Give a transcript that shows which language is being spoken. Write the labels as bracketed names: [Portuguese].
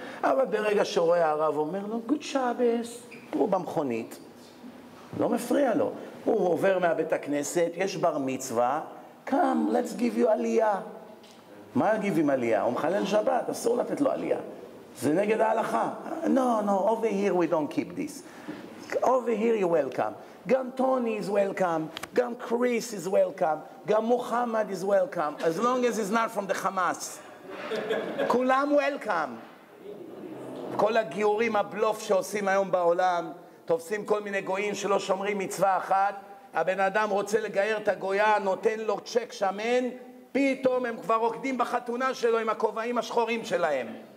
[Hebrew] אבל ברגע שרואה הרב, אומר לו, גוד שבס, הוא במכונית, לא מפריע לו. הוא עובר מהבית הכנסת, יש בר מצווה, קם, [English] let's give you [Hebrew] עלייה. מה [English] give him [Hebrew] עלייה? הוא מחלל שבת, אסור לתת לו עלייה. זה נגד ההלכה. [English] No, no, over here we don't keep this. Over here you're welcome. [Hebrew] גם טוני [English] is welcome, [Hebrew] גם קריס is welcome, גם מוחמד is welcome, as long as he's not from the Hamas. כולם welcome. כל הגיורים הבלוף שעושים היום בעולם, תופסים כל מיני גויים שלא שומרים מצווה אחת, הבן אדם רוצה לגייר את הגויה, נותן לו צ'ק שמן, פתאום הם כבר רוקדים בחתונה שלו עם הכובעים השחורים שלהם.